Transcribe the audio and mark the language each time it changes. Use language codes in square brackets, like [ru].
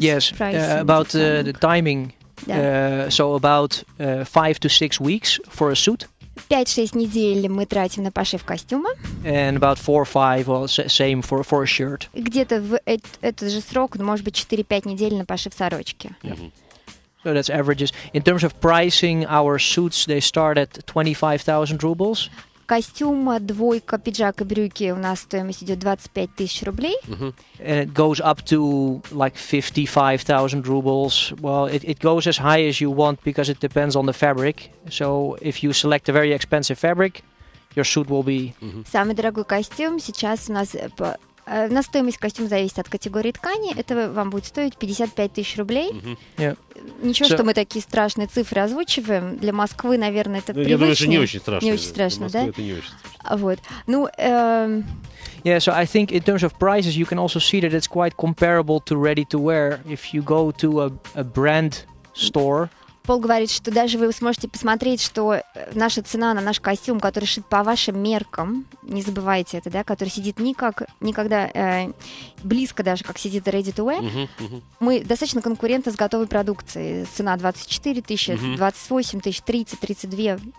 [en] Yes, about the timing. Yeah. So about 5 to 6 weeks for a suit. [ru] 5-6 недель мы тратим на пошив костюма. [en] And about 4-5, well, same for a shirt. [ru] Где-то в этот же срок, может быть, 4-5 недель на пошив сорочки. [en] So that's averages. In terms of pricing, our suits, they start at 25,000 rubles. [ru] Костюм, двойка, пиджак и брюки, у нас стоимость идет 25 тысяч рублей. [en] And it goes up to like 55,000 rubles. Well, it goes as high as you want because it depends on the fabric. So if you select a very expensive fabric, your suit will be... [ru] Самый дорогой костюм сейчас у нас... На стоимость костюма зависит от категории ткани. Это вам будет стоить 55 тысяч рублей. Ничего, что мы такие страшные цифры озвучиваем. Для Москвы, наверное, это привычно. Я думаю, что не очень страшно. Не очень страшно, да? Это не очень страшно. Вот. Ну, [en] Yeah, so I think in terms of prices, you can also see that it's quite comparable to ready-to-wear. If you go to a brand store... [ru] Пол говорит, что даже вы сможете посмотреть, что наша цена на наш костюм, который шит по вашим меркам, не забывайте это, да, который сидит никак, никогда близко даже, как сидит Ready to Wear, мы достаточно конкурентны с готовой продукцией. Цена 24 тысячи, 28 тысяч, 30, 32.